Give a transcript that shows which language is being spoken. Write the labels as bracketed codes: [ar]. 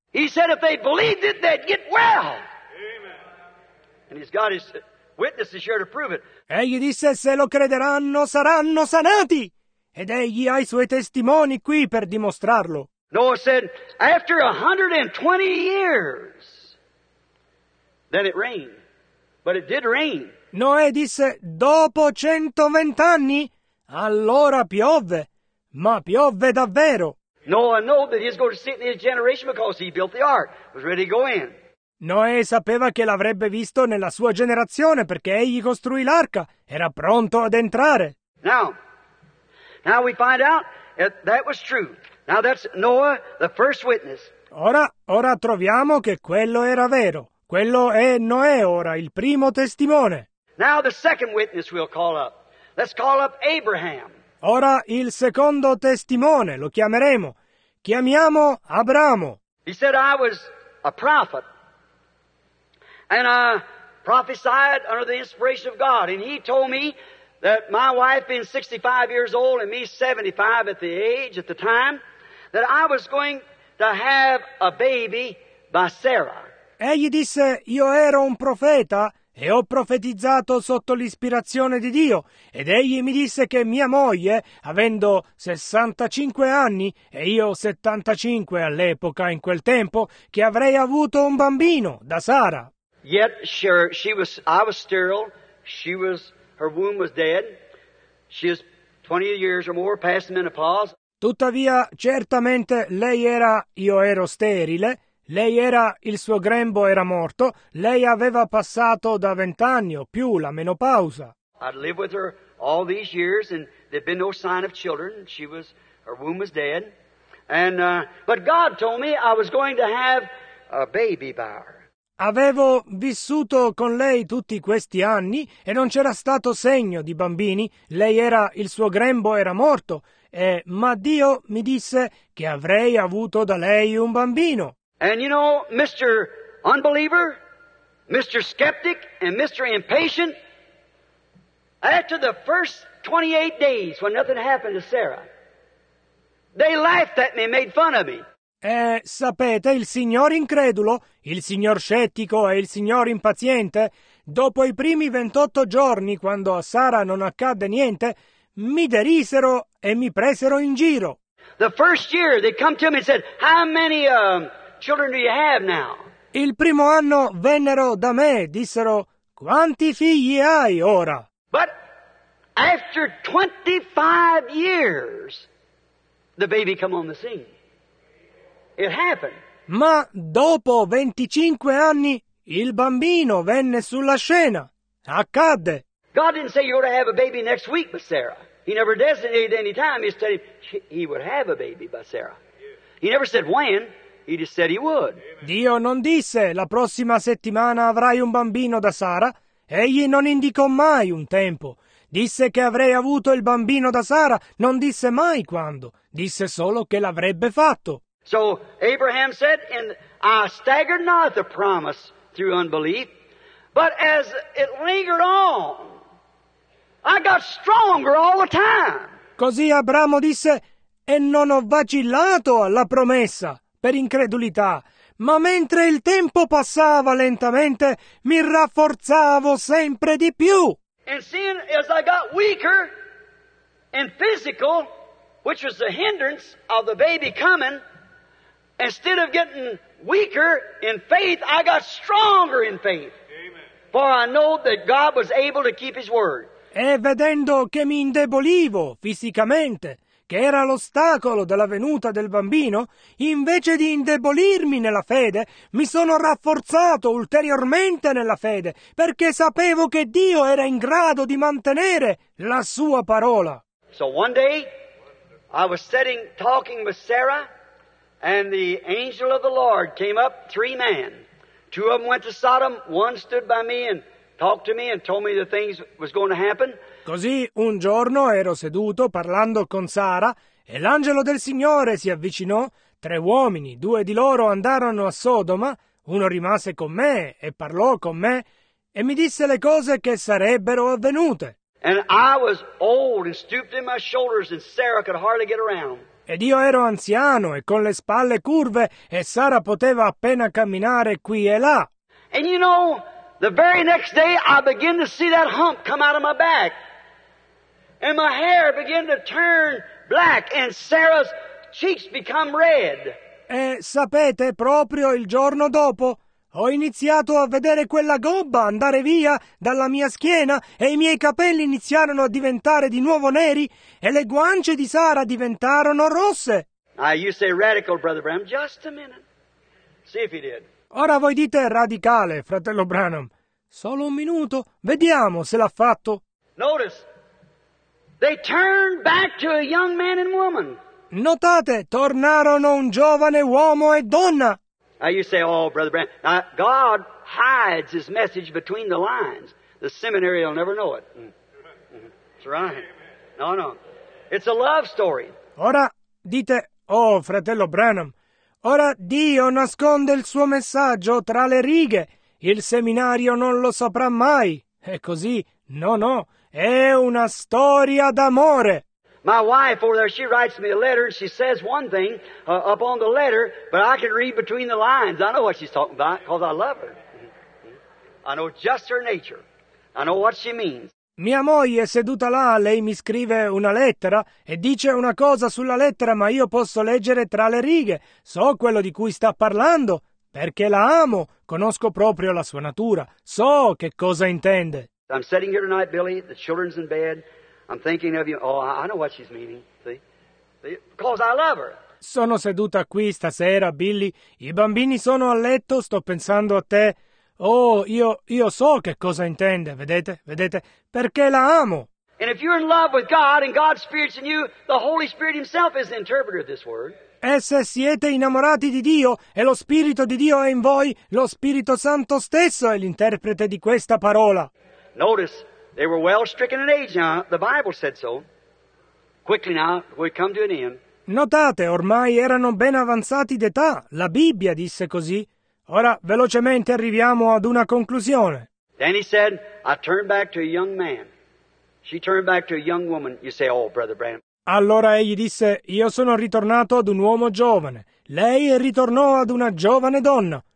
[en] He said if they believed it, they'd get well. Amen. And he's got his witnesses here to prove it. [it] Egli disse se lo crederanno saranno sanati. Ed egli ha i suoi testimoni qui per dimostrarlo. [en] Noah said, after 120 years, then it rained. But it did rain. [it] Noè disse, dopo 120 anni, allora piove. Ma piove davvero. [en] Noah knew that he was going to see it in his generation because he built the ark. Was ready to go in. [it] Noè sapeva che l'avrebbe visto nella sua generazione perché egli costruì l'arca. Era pronto ad entrare. [en] Now we find out that that was true. Now that's Noah, the first witness. [it] Ora troviamo che quello era vero. Quello è Noè ora, il primo testimone. [en] Now the second witness we'll call up. Let's call up Abraham. [it] Ora il secondo testimone lo chiameremo. Chiamiamo Abramo. [en] He said I was a prophet and I prophesied under the inspiration of God, and he told me that my wife being 65 years old and me 75 at the age, at the time, that I was going to have a baby by Sarah. [it] Egli disse, io ero un profeta e ho profetizzato sotto l'ispirazione di Dio. Ed egli mi disse che mia moglie, avendo 65 anni e io 75 all'epoca, in quel tempo, che avrei avuto un bambino da Sara. [en] Yet, sure, I was sterile, she was... Her womb was dead. She is 20 years or more past menopause. [it] Tuttavia, certamente lei era, io ero sterile. Lei era, il suo grembo era morto. Lei aveva passato da 20 anni o più la menopausa. [en] I'd lived with her all these years, and there'd been no sign of children. She was, her womb was dead. And but God told me I was going to have a baby by her. [it] Avevo vissuto con lei tutti questi anni e non c'era stato segno di bambini. Lei era, il suo grembo era morto. Ma Dio mi disse che avrei avuto da lei un bambino. [en] And you know, Mr. Unbeliever, Mr. Skeptic, and Mr. Impatient, after the first 28 days when nothing happened to Sarah, they laughed at me, made fun of me. [it] E sapete, il signor incredulo, il signor scettico e il signor impaziente, dopo i primi 28 giorni, quando a Sara non accadde niente, mi derisero e mi presero in giro. [en] The first year they come to me and said, how many children do you have now? [it] Il primo anno vennero da me e dissero, quanti figli hai ora? [en] But after 25 years, the baby come on the scene. It happened. [it] Ma dopo 25 anni il bambino venne sulla scena. Accadde. [en] God didn't say you ought to have a baby next week by Sarah. He never designated any time. He said he would have a baby by Sarah. He never said when. He just said he would. [it] Dio non disse la prossima settimana avrai un bambino da Sara. Egli non indicò mai un tempo. Disse che avrei avuto il bambino da Sara. Non disse mai quando. Disse solo che l'avrebbe fatto. [en] So Abraham said, and I staggered not the promise through unbelief, but as it lingered on, I got stronger all the time. [it] Così Abramo disse, e non ho vacillato alla promessa per incredulità, ma mentre il tempo passava lentamente, mi rafforzavo sempre di più. [en] And seeing as I got weaker and physical, which was the hindrance of the baby coming, instead of getting weaker in faith, I got stronger in faith. Amen. For I know that God was able to keep his word. [it] E vedendo che mi indebolivo fisicamente, che era l'ostacolo della venuta del bambino, invece di indebolirmi nella fede, mi sono rafforzato ulteriormente nella fede, perché sapevo che Dio era in grado di mantenere la sua parola. [en] So one day, I was sitting talking with Sarah, And the angel of the Lord came up, three men. Two of them went to Sodom. One stood by me and talked to me and told me the things was going to happen. [it] Così un giorno ero seduto parlando con Sara e l'angelo del Signore si avvicinò. Tre uomini, due di loro andarono a Sodoma. Uno rimase con me e parlò con me e mi disse le cose che sarebbero avvenute. [en] And I was old and stooped in my shoulders and Sarah could hardly get around. [it] Ed io ero anziano e con le spalle curve e Sara poteva appena camminare qui e là. [en] And you know, the very next day I began to see that hump come out of my back. And my hair began to turn black and Sarah's cheeks become red. [it] E sapete, proprio il giorno dopo ho iniziato a vedere quella gobba andare via dalla mia schiena e i miei capelli iniziarono a diventare di nuovo neri e le guance di Sara diventarono rosse. [en] You say radical, Brother Branham. Just a minute. See if he did. [it] Ora voi dite radicale, fratello Branham. Solo un minuto. Vediamo se l'ha fatto. [en] Notice. They turned back to a young man and woman. [it] Notate, tornarono un giovane uomo e donna. [en] Now you say, oh, Brother Branham, now God hides his message between the lines. The seminary will never know it. That's right. No, no. It's a love story. [it] Ora dite, oh, fratello Branham, ora Dio nasconde il suo messaggio tra le righe. Il seminario non lo saprà mai. È così. No, no. È una storia d'amore. [en] My wife over there, she writes me a letter and she says one thing up on the letter, but I can read between the lines. I know what she's talking about because I love her. I know just her nature. I know what she means. [it] Mia moglie seduta là, lei mi scrive una lettera e dice una cosa sulla lettera, ma io posso leggere tra le righe. So quello di cui sta parlando perché la amo. Conosco proprio la sua natura. So che cosa intende. [en] I'm sitting here tonight, Billy. The children's in bed. I'm thinking of you. Oh, I know what she's meaning. See? Because I love her. [it] Sono seduta qui stasera, Billy. I bambini sono a letto. Sto pensando a te. Oh, io so che cosa intende. Vedete? Vedete? Perché la amo. [en] And if you're in love with God and God's Spirit's in you, the Holy Spirit himself is the interpreter of this word. [it] E se siete innamorati di Dio e lo Spirito di Dio è in voi, lo Spirito Santo stesso è l'interprete di questa parola. [en] Notice. They were well stricken in age now. The Bible said so. Quickly now, we come to an end. [it] Notate, ormai erano ben avanzati d'età. La Bibbia disse così. Ora, velocemente, arriviamo ad una conclusione. [en] Then he said, I turned back to a young man. She turned back to a young woman. You say, oh, Brother Branham. [it] Allora egli disse, io sono ritornato ad un uomo giovane. Lei ritornò ad una giovane donna.